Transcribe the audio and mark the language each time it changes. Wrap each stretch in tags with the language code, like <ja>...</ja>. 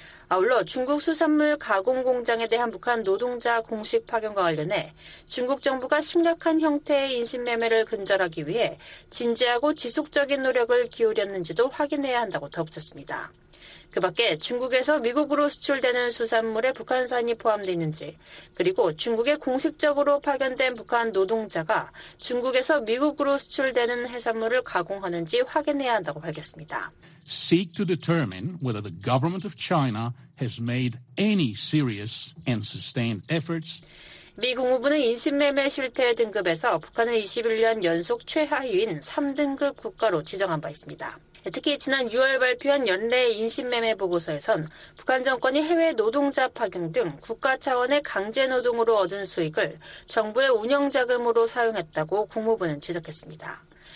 <ko>아울러 중국 수산물 가공 공장에 대한 북한 노동자 공식 파견과 관련해 중국 정부가 심각한 형태의 인신매매를 근절하기 위해 진지하고 지속적인 노력을 기울였는지도 확인해야 한다고 덧붙였습니다. 그 밖에 중국에서 미국으로 수출되는 수산물에 북한산이 포함되어 있는지, 그리고 중국에 공식적으로 파견된 북한 노동자가 중국에서 미국으로 수출되는 해산물을 가공하는지 확인해야 한다고 밝혔습니다.</ko> <en>Seek to determine whether the government of China has made any serious and sustained efforts.</en> <ko>미 국무부는 인신매매 실태 등급에서 북한을 21년 연속 최하위인 3등급 국가로 지정한 바 있습니다. 특히 지난 6월 발표한 연례 인신매매 보고서에선 북한 정권이 해외 노동자 파견 등 국가 차원의 강제 노동으로 얻은 수익을 정부의 운영 자금으로 사용했다고 국무부는 지적했습니다.</ko>